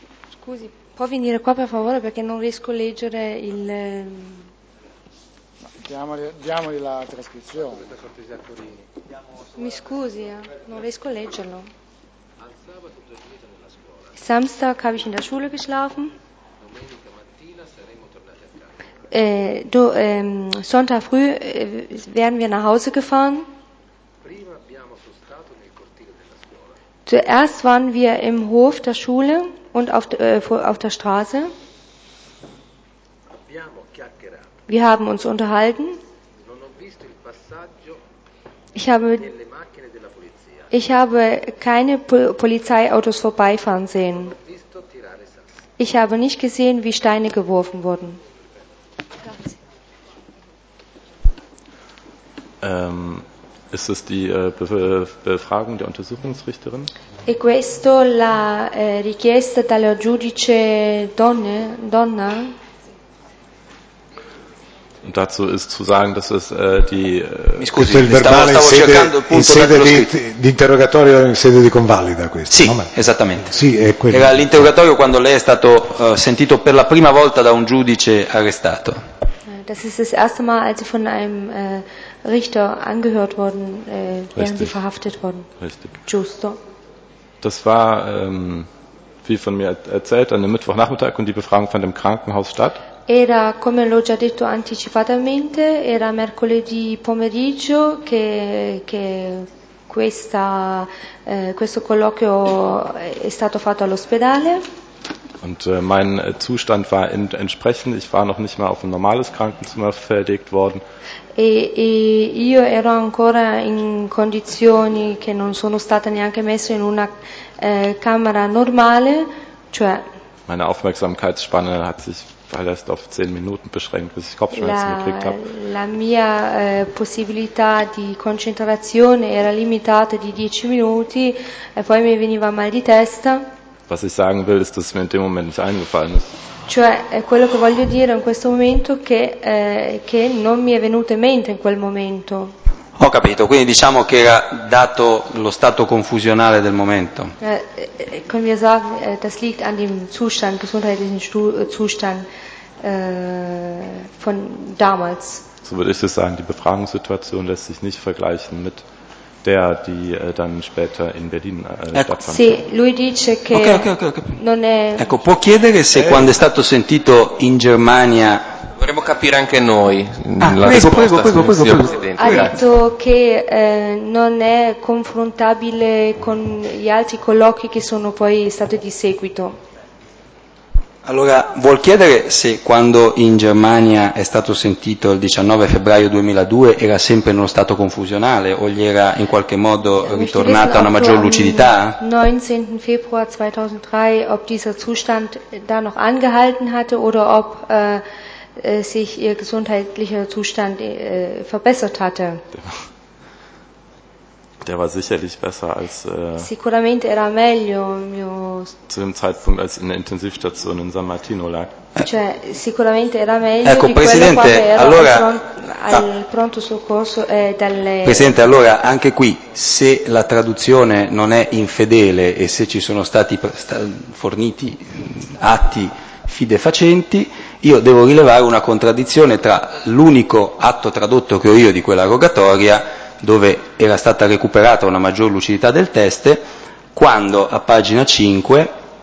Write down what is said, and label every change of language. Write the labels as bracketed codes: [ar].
[it] Scusi, può venire qua per favore perché non riesco a leggere il. Diamogli la trascrizione. Mi scusi, non riesco a leggerlo. [de] Samstag habe ich in der Schule geschlafen. Sonntag früh werden wir nach Hause gefahren. Zuerst waren wir im Hof der Schule und auf der Straße. Wir haben uns unterhalten. Ich habe keine Polizeiautos vorbeifahren sehen. Ich habe nicht gesehen, wie Steine geworfen wurden. Ist es die Befragung der Untersuchungsrichterin? [it] E questo la richiesta dalla giudice donna? [de] Und dazu ist zu sagen, dass es die [it] Mi scusi, il verbale in sede di interrogatorio in sede di convalida questo. Sì, esattamente. Sì, è quello. Era l'interrogatorio quando lei è stato sentito per la prima volta da un giudice arrestato. [de] Das ist das erste Mal, als sie von einem Richter angehört wurden, während sie verhaftet wurden. Richtig. [it] Giusto. [de] Das war, wie von mir erzählt, an dem Mittwochnachmittag und die Befragung fand im Krankenhaus statt. [it] Era, come l'ho già detto anticipatamente, era mercoledì pomeriggio che questo colloquio è stato fatto all'ospedale. [de] Und mein Zustand war entsprechend, ich war noch nicht mal auf ein normales Krankenzimmer verlegt worden. [it] E io ero ancora in condizioni che non sono stata neanche messa in una camera normale, cioè [de] meine Aufmerksamkeitsspanne hat sich weil das auf 10 Minuten beschränkt ist, ich Kopfschmerzen gekriegt habe. [it] La mia possibilità di concentrazione era limitata di 10 minuti e poi mi veniva mal di testa. [de] Was ich sagen will, ist, dass es mir in dem Moment nicht eingefallen ist. [it] Cioè, quello che voglio dire in questo momento che non mi è venuto in mente in quel momento. Ho capito, quindi diciamo che era dato lo stato confusionale del momento. [de] Können wir sagen, das liegt an dem Zustand, gesundheitlichen Zustand von damals. So würde ich das sagen, die Befragungssituation lässt sich nicht vergleichen mit der, die dann später in Berlin stattfand. [it] Sì, lui dice che non è... Ecco, può chiedere se quando è stato sentito in Germania... Vorremmo capire anche noi la risposta. Ha detto che non è confrontabile con gli altri colloqui che sono poi stati di seguito. Allora, vuol chiedere se quando in Germania è stato sentito il 19 febbraio 2002 era sempre nello stato confusionale o gli era in qualche modo ritornata una maggior lucidità? [de] 19 Februar 2003, ob dieser Zustand da noch angehalten hatte oder ob sich ihr gesundheitlicher Zustand verbessert hatte. Der war sicherlich besser als [it] sicuramente era meglio mio... [de] zu dem Zeitpunkt, als in der Intensivstation in San Martino lag. [it] Cioè, sicuramente era meglio. Ecco, di Presidente, era allora al pronto soccorso dalle... Presidente, allora anche qui, se la traduzione non è infedele e se ci sono stati forniti atti fide facenti, io devo rilevare una contraddizione tra l'unico atto tradotto che ho io di quella rogatoria, dove era stata recuperata una maggior lucidità del test, quando a pagina 5